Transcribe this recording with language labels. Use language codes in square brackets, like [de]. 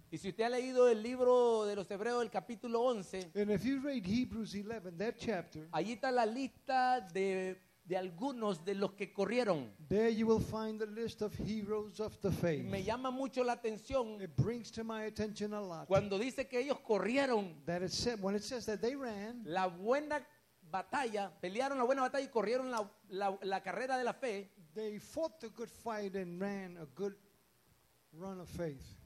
[es] Y si usted ha leído el libro de los Hebreos, el capítulo 11, [en] and if you read Hebrews 11, that chapter, [es] allí está la lista de algunos de los que corrieron. [en] There you will find the list of heroes of the faith. [es] Me llama mucho la atención. [en] It brings to my attention a lot. [es] Cuando dice que ellos corrieron, [en] that it said, when it says that they ran, [es] la buena batalla, pelearon la buena batalla y corrieron la carrera de la fe. [en] They fought the good fight and ran a good run of faith.